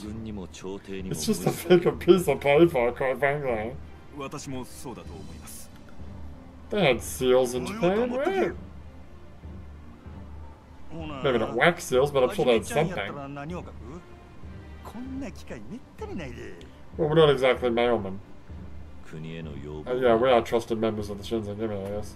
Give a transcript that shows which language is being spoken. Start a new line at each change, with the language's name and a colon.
English: It's just a fake piece of paper, quite frankly.
Japanese: 私もそうだと思います。
English: They had seals in Japan, right? Maybe not wax seals, but I'm sure they had something.
Japanese: こんな機会めったにないで。
English: Well, we're not exactly mailmen.、 yeah, we are trusted members of the Shinzen Gimmick, I guess.